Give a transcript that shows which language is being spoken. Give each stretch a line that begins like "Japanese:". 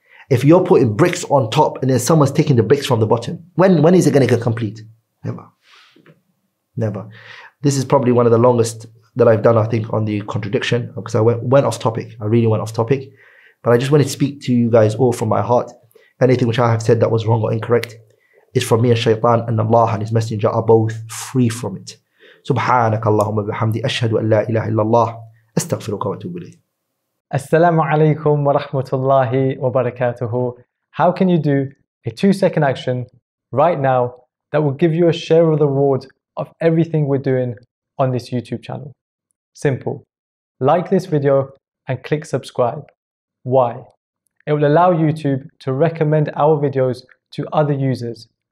English: If you're putting bricks on top and then someone's taking the bricks from the bottom, when is it going to get complete? Never. Never. This is probably one of the longest that I've done, I think, on the contradiction, because I went off topic. I really went off topic. But I just wanted to speak to you guys all from my heart. Anything which I have said that was wrong or incorrect is from me and Shaytan, and Allah and His Messenger are both free from it.
Arabic: سبحانك اللهم وبحمدي أشهد أن لا إله إلا الله أستغفرك وأتوب إليك. السلام عليكم ورحمة الله وبركاته.
English: How can you do a 2-second action right now that will give you a share of the reward of everything we're doing on this YouTube channel? Simple. Like this video and click subscribe. Why? It will allow YouTube to recommend our videos to other users.